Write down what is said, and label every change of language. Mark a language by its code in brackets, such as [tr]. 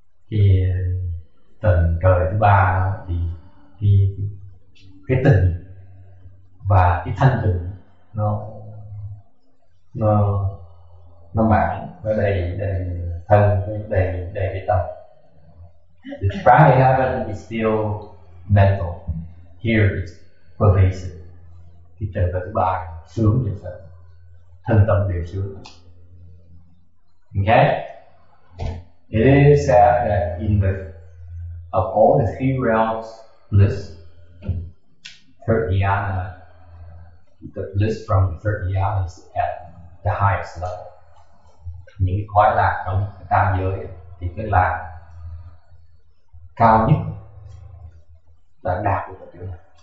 [vi] Thì tầng trời thứ ba đó, thì cái tình và cái thanh tịnh nó mãn và đầy thân đầy cái tâm. [en] The primary heaven is still mental. Here it's pervasive. [vi] Thì trời trời thứ ba sướng như vậy, thân tâm đều sướng. [en] Okay. It is said that in the of all the three realms, bliss, third dhyana, the bliss from the third dhyana is at the highest level. [vi] Những khoái lạc trong tam giới thì cái lạc cao nhất là đạt được cái chỗ này.